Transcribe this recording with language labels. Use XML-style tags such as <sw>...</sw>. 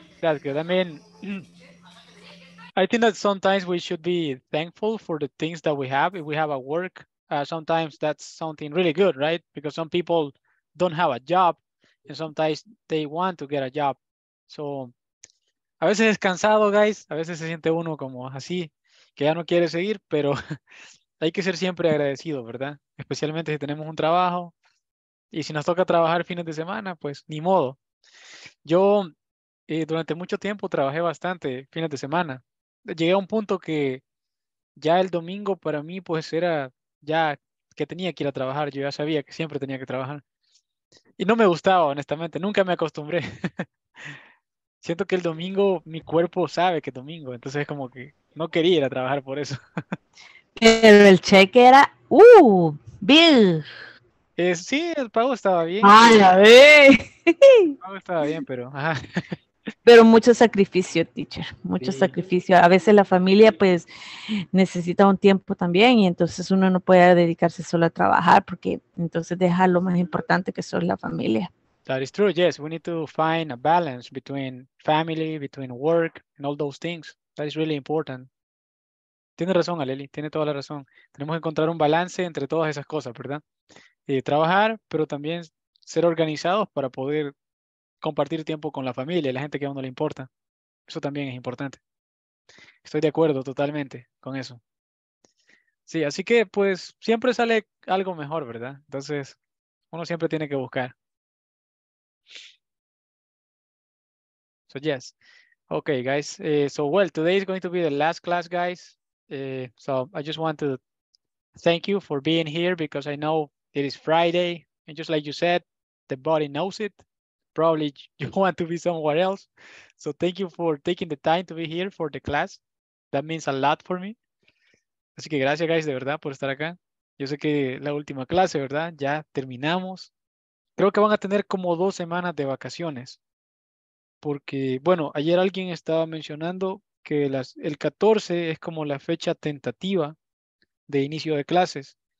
<en>I mean, I think that sometimes we should be thankful for the things that we have. If we have a work, sometimes that's something really good, right? Because some people don't have a job and sometimes they want to get a job.</en> <es>So, a veces es cansado, guys. A veces se siente uno como así, que ya no quiere seguir, pero hay que ser siempre agradecido, ¿verdad? Especialmente si tenemos un trabajo y si nos toca trabajar fines de semana, pues ni modo. Yo durante mucho tiempo trabajé bastante fines de semana. Llegué a un punto que ya el domingo para mí pues era ya que tenía que ir a trabajar. Yo ya sabía que siempre tenía que trabajar. Y no me gustaba, honestamente. Nunca me acostumbré. Siento que el domingo mi cuerpo sabe que es domingo. Entonces es como que no quería ir a trabajar por eso. Pero el cheque era... Bill. Sí, el pago estaba bien. ¡Ah, la ve! No, estaba bien, pero... Ajá. Pero mucho sacrificio, teacher. Mucho sí. Sacrificio. A veces la familia, pues, necesita un tiempo también. Y entonces uno no puede dedicarse solo a trabajar. Porque entonces deja lo más importante que son la familia.</es> <en>That is true, yes. We need to find a balance between family, between work, and all those things. That is really important.</en> <es>Tiene razón, Aleli. Tiene toda la razón. Tenemos que encontrar un balance entre todas esas cosas, ¿verdad? Y trabajar, pero también... ser organizados para poder compartir tiempo con la familia y la gente que a uno le importa. Eso también es importante. Estoy de acuerdo totalmente con eso. Sí, así que pues siempre sale algo mejor, ¿verdad? Entonces, uno siempre tiene que buscar.</es> <en>So, yes. Okay, guys. So, well, today is going to be the last class, guys. So, I just want to thank you for being here because I know it is Friday. And just like you said, the body knows it. Probably you want to be somewhere else. So, thank you for taking the time to be here for the class. That means a lot for me.</en> <es>Así que gracias, guys, de verdad, por estar acá. Yo sé que la última clase, ¿verdad? Ya terminamos. Creo que van a tener como 2 semanas de vacaciones. Porque, bueno, ayer alguien estaba mencionando que el 14 es como la fecha tentativa de inicio de clases.</es>